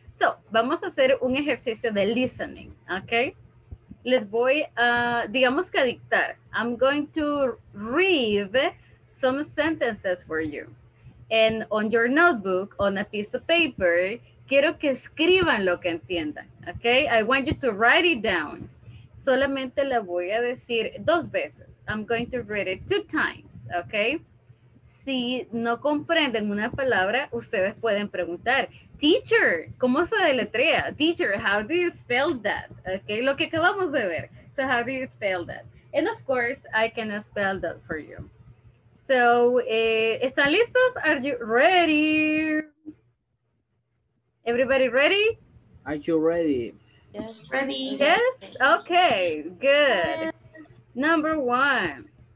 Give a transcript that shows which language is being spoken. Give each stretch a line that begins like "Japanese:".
Spanish: So, vamos a hacer un ejercicio de listening, okay? Les voy a, digamos que a dictar.
English: I'm going to read some sentences for you. And on your notebook, on a piece of paper,
Spanish: quiero que escriban lo que entiendan,
English: okay? I want you to write it down.
Spanish: Solamente la voy a decir dos veces.
English: I'm going to read it two times, okay?
Spanish: Si no comprenden una palabra, ustedes pueden preguntar, teacher, ¿cómo se deletrea?
English: Teacher, how do you spell that? Okay,
Spanish: lo que acabamos de ver.
English: So how do you spell that? And of course, I can spell that for you. So,
Spanish: ¿están listos?
English: Are you ready? Everybody ready? Are you ready? Yes. Ready. Yes? Okay, good. Yes. Number one.